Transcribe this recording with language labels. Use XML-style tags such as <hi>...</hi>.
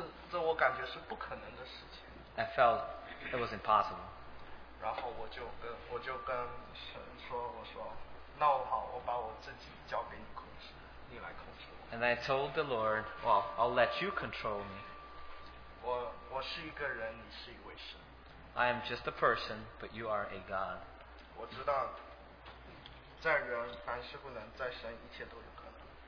<zh>这我感觉是不可能的事情。</zh> <en>I felt it was impossible.</en> <zh>然后我就跟神说，我说，那好，我把我自己交给你控制，你来控制我。</zh> <en>And I told the Lord, well, I'll let you control me.</en> <zh>我是一个人，你是一位神。</zh> <en>I am just a person, but you are a God.</en> <zh>我知道，在人凡事不能，在神一切都有可能。</zh>